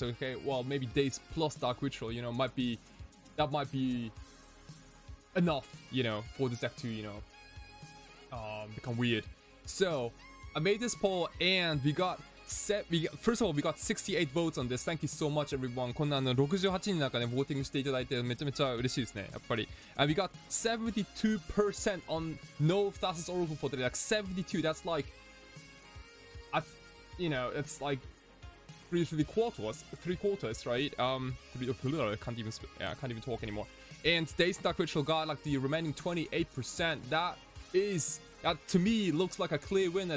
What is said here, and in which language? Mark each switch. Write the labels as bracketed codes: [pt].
[en] So, okay, well, maybe Days plus Dark Ritual, you know, might be enough, you know, for this deck to, you know, become weird. So, I made this poll and we got 68 votes on this. Thank you so much, everyone. [ja] こんな68人なんかね、ボーティングしていただいてめちゃめちゃ嬉しいですね、やっぱり。 [en] And we got 72% on No Thassa's Oracle for today. Like 72, that's like... you know, it's like... Three quarters, right? I can't even talk anymore. And Day's Dark Ritual got like the remaining 28%. That to me looks like a clear winner.